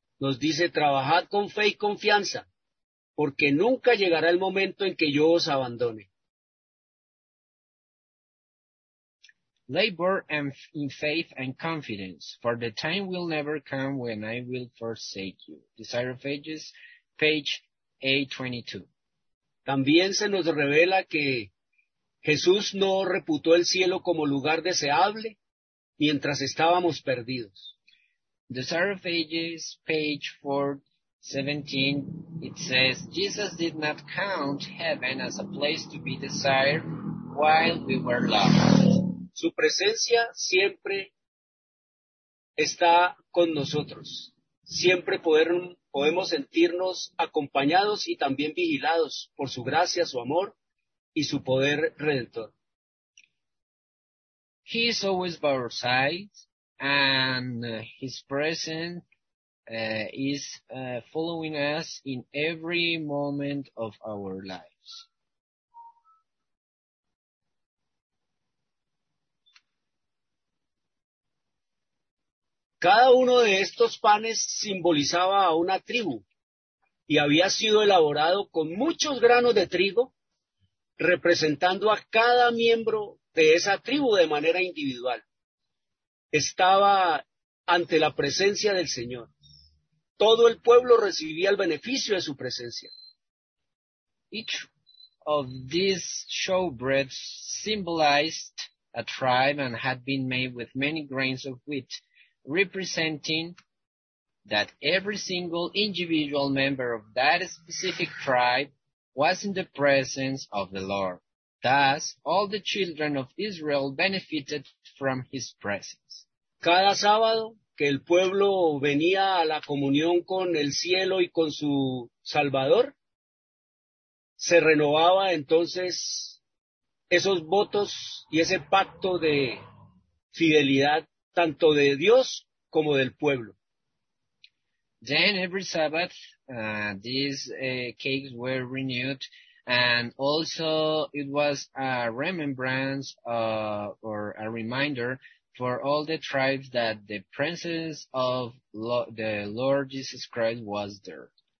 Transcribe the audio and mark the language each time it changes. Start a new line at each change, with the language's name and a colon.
Spanish: Nos dice, trabajad con fe y confianza, porque nunca llegará el momento en que yo os abandone.
English: Labor and in faith and confidence, for the time will never come when I will forsake you. Desire of Ages, page 822.
Spanish: También se nos revela que Jesús no reputó el cielo como lugar deseable mientras estábamos perdidos.
English: Desire of Ages, page 417, it says, Jesus did not count heaven as a place to be desired while we were lost.
Spanish: Su presencia siempre está con nosotros. Siempre podemos sentirnos acompañados y también vigilados por su gracia, su amor y su poder redentor.
English: He is always by our side, and his presence is following us in every moment of our lives.
Spanish: Cada uno de estos panes simbolizaba a una tribu y había sido elaborado con muchos granos de trigo, representando a cada miembro de esa tribu de manera individual. Estaba ante la presencia del Señor. Todo el pueblo recibía el beneficio de su presencia.
English: Each of these showbreads symbolized a tribe and had been made with many grains of wheat, representing that every single individual member of that specific tribe was in the presence of the Lord. Thus, all the children of Israel benefited from his presence.
Spanish: Cada sábado que el pueblo venía a la comunión con el cielo y con su Salvador, se renovaba entonces esos votos y ese pacto de fidelidad tanto de Dios como del pueblo.
English: Then every Sabbath, these cakes were renewed, and also it was a remembrance or a reminder for all the tribes that the presence of the Lord Jesus Christ was there.